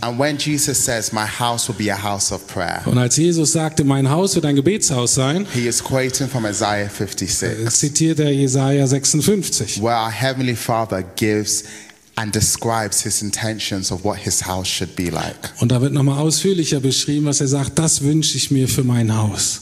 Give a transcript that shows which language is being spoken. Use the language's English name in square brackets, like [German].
[English] And when Jesus says, "My house will be a house." Of prayer. [German] Und als Jesus sagte, mein Haus wird ein Gebetshaus sein, [English] he is quoting from Isaiah 56, [German] zitiert er Jesaja 56, [English] where our Heavenly Father gives and describes his intentions of what his house should be like. [German] Und da wird nochmal ausführlicher beschrieben, was er sagt, das wünsche ich mir für mein Haus.